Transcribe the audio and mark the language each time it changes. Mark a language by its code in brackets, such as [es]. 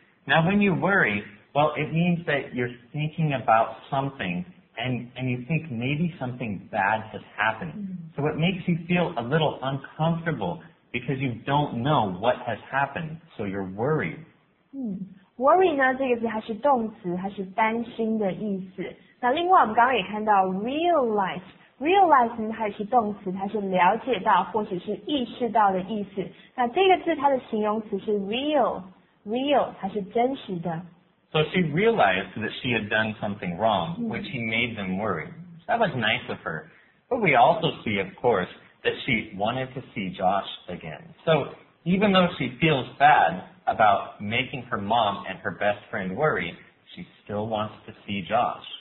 [en] Now when you worry, well, it means that you're thinking about something and you think maybe something bad has happened. So it makes you feel a little uncomfortable. Because you don't know what has happened, so you're worried. [zh] Worry 呢这个字它是动词它是担心的意思。那另外我们刚刚也看到 realize 呢它也是动词它是了解到或者是意识到的意思。那这个字它的形容词是 real, 它是真实的。 [en] So she realized that she had done something wrong, which he made them worry. That was nice of her. But we also see, of course,that she wanted to see Josh again. So even though she feels bad about making her mom and her best friend worry, she still wants to see Josh.